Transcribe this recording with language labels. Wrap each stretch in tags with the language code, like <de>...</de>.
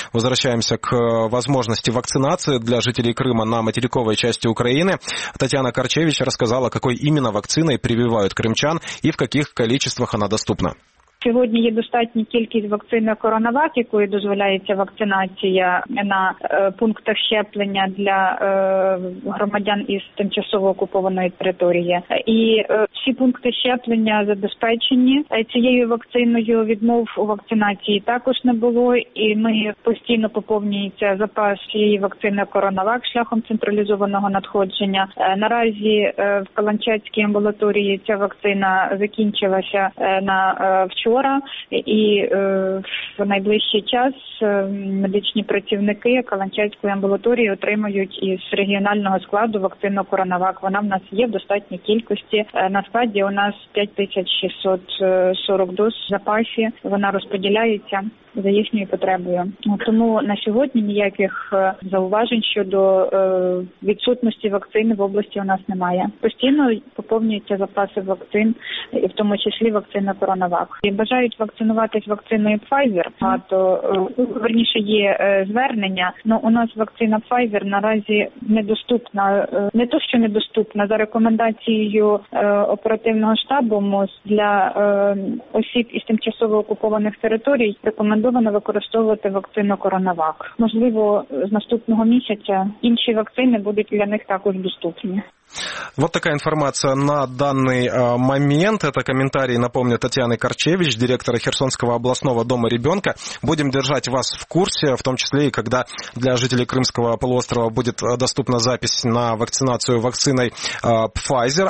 <ru>Возвращаемся к возможности вакцинации для жителей Крыма на материковой части Украины. Татьяна Корчевич рассказала, какой именно вакциной прививают крымчан и в каких количествах она доступна.</ru> <uk>Сьогодні є достатня кількість вакцини CoronaVac, якою дозволяється вакцинація на пунктах щеплення для громадян із тимчасово окупованої території. І всі пункти щеплення забезпечені цією вакциною. Відмов у вакцинації також не було. І ми постійно поповнюється запас цієї вакцини CoronaVac шляхом централізованого надходження. Наразі в Каланчацькій амбулаторії ця вакцина закінчилася вчора, і в найближчий час медичні працівники Каланчацької амбулаторії отримають із регіонального складу вакцину CoronaVac. Вона в нас є в достатній кількості. На складі у нас 5640 доз в запасі. Вона розподіляється за їхньою потребою. Тому на сьогодні ніяких зауважень щодо відсутності вакцин в області у нас немає. Постійно поповнюються запаси вакцин, і в тому числі вакцина CoronaVac. І бажають вакцинуватись вакциною Pfizer, а то верніше є звернення, але у нас вакцина Pfizer наразі недоступна. Не то, що недоступна, за рекомендацією оперативного штабу МОЗ для осіб із тимчасово окупованих територій рекомендовано використовувати вакцину CoronaVac. Можливо, з наступного місяця інші вакцини будуть для них також доступні.</uk> <ru>Вот такая информация на данный момент. Это комментарий, напомню, Татьяны Корчевич, директора Херсонского областного дома ребенка. Будем держать вас в курсе, в том числе и когда для жителей Крымского полуострова будет доступна запись на вакцинацию вакциной Pfizer.</ru>